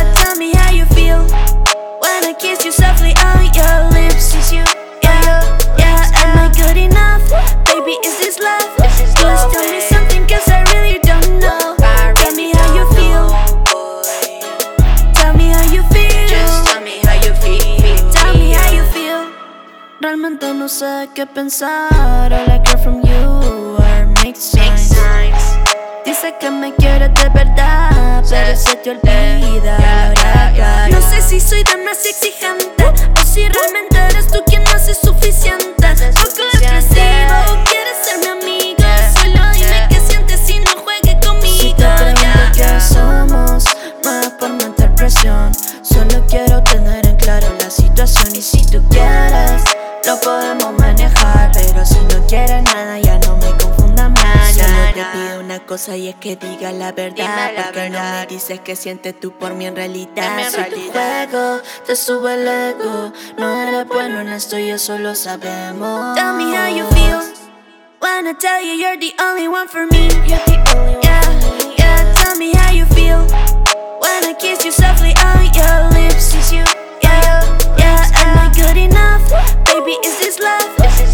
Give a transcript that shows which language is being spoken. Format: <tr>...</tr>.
<en>Yeah, tell me how you feel when I kiss you softly on your lips. Is you, yeah, your lips, yeah, yeah. Am I good enough? Baby, is this love? This is just love, tell me something, cause I really don't know. Really tell me how you feel, boy. Tell me how you feel. Just tell me how you feel. Tell me how you feel.</en> <es>Realmente no sé qué pensar.</es> <en>All I care from you are mixed signs.</en> <es>Dice que me quiere de verdad, pero se te olvida. No sé si soy demasiado exigente o si realmente eres tú quien no hace suficiente. Poco agresivo, quieres ser mi amigo. Solo dime qué sientes si no juegues conmigo. Si te pregunto qué somos, no es por meter presión. Solo quiero tener en claro la situación. Y si tú quieres, lo podemos manejar. Pero si no quieres nada, ya no me confundas más. Te pido una cosa y es que diga la verdad. Dime la porque verdad. No me dices que sientes tú por mí en realidad. Dime si en realidad. Tu juego te sube el ego, no eres bueno en esto y eso lo sabemos.</es> <en>Tell me how you feel when I tell you you're the only one for me. You're the only one, yeah, for me, yeah. Yeah, tell me how you feel when I kiss you softly on your lips. Is you, yeah, you, yeah. Am I good enough? Baby, is this love? This is</en>